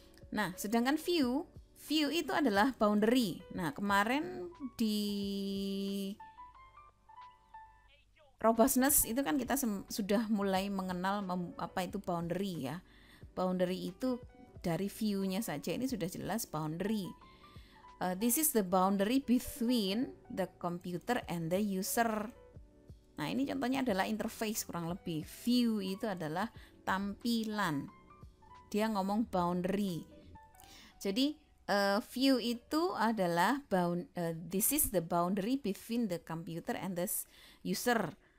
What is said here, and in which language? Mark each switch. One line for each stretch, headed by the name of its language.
Indonesian: Nah, sedangkan view itu adalah boundary. Nah, kemarin di robustness itu kan kita sudah mulai mengenal apa itu boundary ya. Boundary itu dari view-nya saja ini sudah jelas boundary.
English: This is the boundary between the computer and the user.
Indonesian: Nah, ini contohnya adalah interface kurang lebih. View itu adalah tampilan. Dia ngomong boundary. Jadi, view itu adalah
English: this is the boundary between the computer and the user.